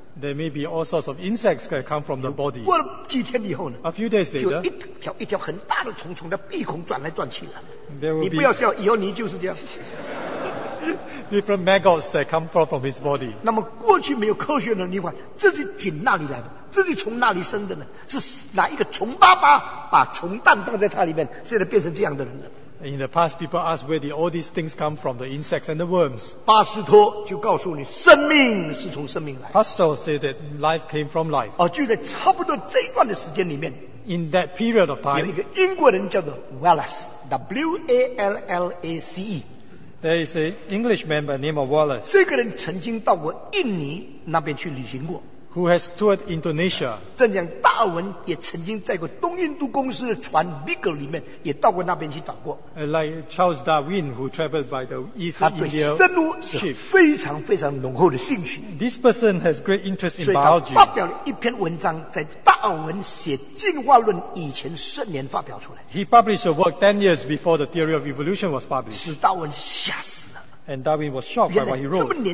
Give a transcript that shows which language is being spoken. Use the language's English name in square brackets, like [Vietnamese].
[English] There may be all sorts of insects that come from the body. [Chinese] 过了几天以后呢, [English] a few days later, [Chinese] 一条很大的虫从他鼻孔转来转去了。你不要笑，以后你就是这样。 [English] Different maggots that come from his body. [Chinese] 那么过去没有科学的，你问自己菌那里来的，自己从那里生的呢？是哪一个虫爸爸把虫蛋放在它里面，现在变成这样的人了？ [English] In the past, people asked where did all these things come from, the insects and the worms. [Chinese] 巴斯托就告诉你，生命是从生命来的。 [English] Pastor said that life came from life. [Chinese] 哦，就在差不多这一段的时间里面。 [English] In that period of time, [Chinese] 有一个英国人叫做 Wallace, W-A-L-L-A-C-E。 [English] There is an Englishman by the name of Wallace. [Chinese] 这个人曾经到过印尼那边去旅行过。 [English] Who has toured Indonesia? [Chinese] 正像达尔文也曾经在过东印度公司的船 Beagle里面也到过那边去找过。 [English] Like Charles Darwin, who traveled by the East India ship. [Chinese] 他对生物是非常非常浓厚的兴趣。 [English] This person has great interest in biology. [Chinese] 所以他发表了一篇文章，在达尔文写进化论以前10年发表出来。 [English] He published a work 10 years before the theory of evolution was published. [Chinese] 使达尔文吓死。 [English] And Darwin was shocked by what he wrote.